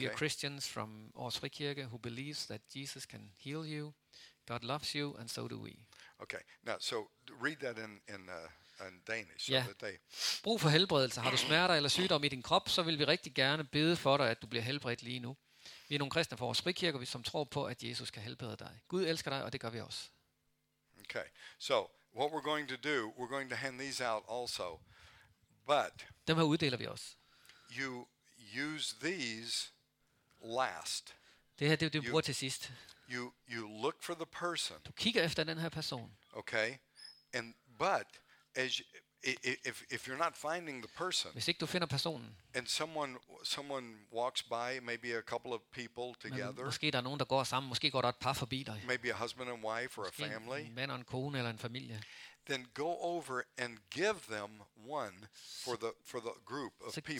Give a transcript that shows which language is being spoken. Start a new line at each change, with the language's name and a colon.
English: We are Christians from Aarhus Frikirke who believes that Jesus can heal you. God loves you, and so do we. Okay. Now, so read that in Danish. Yeah.
Danish: Brug for helbredelse. Har du smerter eller sygdom i din krop, så vil vi rigtig gerne bede for dig, at du bliver helbredt lige nu. Vi er nogle kristne fra Aarhus Frikirke, som tror på, at Jesus kan helbrede dig. Gud elsker dig, og det gør vi også.
English: Okay. So, what we're going to do, we're going to hand these out also. But
Danish: dem her uddeler vi også.
English: You use these last.
Danish: Det her, det bruger til sidst.
English: You look for the person.
Danish: Du kigger efter den her person.
English: Okay. And but as if you're not finding the person.
Danish: Hvis ikke du finder personen.
English: And someone walks by, maybe a couple of people together.
Danish: Måske der er nogen der går sammen, måske går der et par forbi dig.
English: Maybe a husband and wife or a family.
Danish: En mand og en kone eller en familie.
English: Then go over and give them one for the group of people.